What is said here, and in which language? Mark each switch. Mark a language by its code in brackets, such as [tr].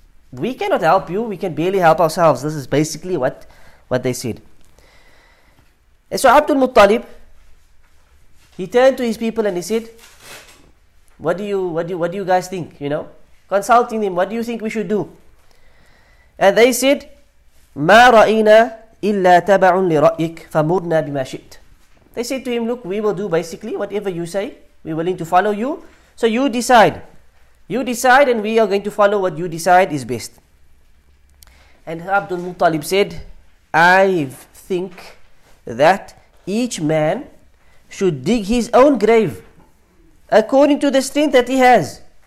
[en] We cannot help you, we can barely help ourselves. This is basically what they said. And so Abdul Muttalib, he turned to his people and he said, What do you guys think? You know, consulting them. What do you think we should do? And they said, [ar] ما رأينا إلا تبع لرأيك فمرنا بما شئت. [en] They said to him, look, we will do basically whatever you say. We're willing to follow you. So you decide. You decide and we are going to follow what you decide is best. And Abdul Muttalib said, I think that each man should dig his own grave according to the strength that he has.